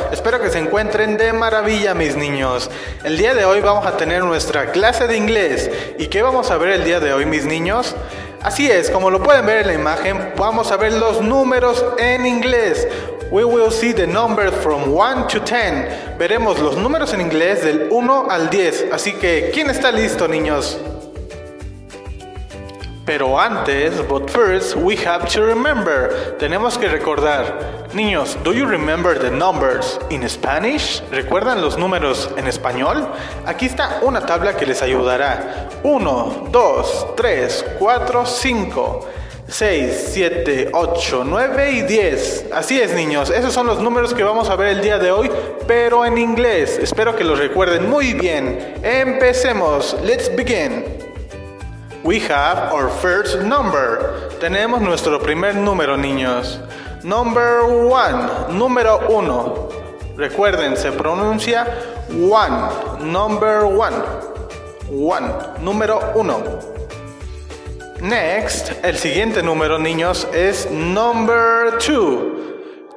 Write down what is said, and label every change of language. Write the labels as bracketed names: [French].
[Spanish] Espero que se encuentren de maravilla, mis niños. El día de hoy vamos a tener nuestra clase de inglés. ¿Y qué vamos a ver el día de hoy, mis niños? Así es, como lo pueden ver en la imagen, vamos a ver los números en inglés. [English] We will see the numbers from 1 to 10. [Spanish] Veremos los números en inglés del 1 al 10. Así que, ¿quién está listo, niños? Pero antes, [English] but first, we have to remember. [Spanish] Tenemos que recordar. Niños, [English] do you remember the numbers in Spanish? [Spanish] ¿Recuerdan los números en español? Aquí está una tabla que les ayudará. 1, 2, 3, 4, 5, 6, 7, 8, 9 y 10. Así es, niños. Esos son los números que vamos a ver el día de hoy, pero en inglés. Espero que los recuerden muy bien. Empecemos. [English] Let's begin. We have our first number. [Spanish] Tenemos nuestro primer número, niños. [English] Number one. [Spanish] Número uno. Recuerden, se pronuncia [English] one. Number one. One. Número uno. Next. [Spanish] El siguiente número, niños, es [English] number two.